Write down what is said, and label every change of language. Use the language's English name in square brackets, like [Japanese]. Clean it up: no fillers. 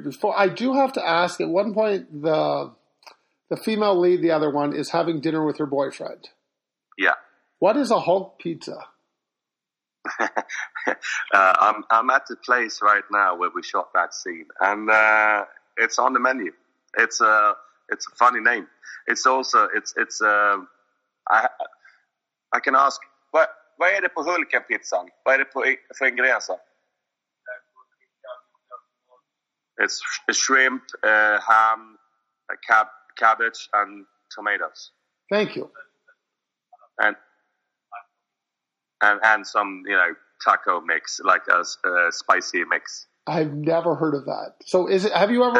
[English] Before, I do have to ask, at one point, the female lead, the other one, is having dinner with her boyfriend. Yeah. What is a Hulk pizza? I'm at the place right now where we shot that scene. And it's on the menu. It's a It's a funny name. It's also, it's I can ask, [Swedish] vad är det på Hulken pizzan? Vad är det på för ingredienser? [English] It's shrimp, ham, cabbage, and tomatoes. Thank you. And some, you know, taco mix, like a spicy mix. I've never heard of that. So is it? Have you ever